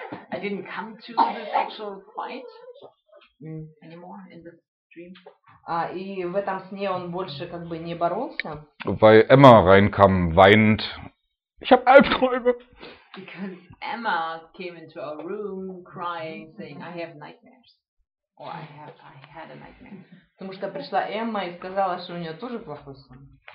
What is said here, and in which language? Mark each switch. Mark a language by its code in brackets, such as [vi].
[en] I didn't come to this actual fight anymore in the dream. [ru] И в этом сне он больше как бы не боролся. [de] Weil Emma reinkam, weinend. Ich habe Albträume. [en] Because Emma came into our room crying, saying, I have nightmares. Or I had a nightmare. [ru] Потому что пришла Эмма и сказала, что у нее тоже плохой сон.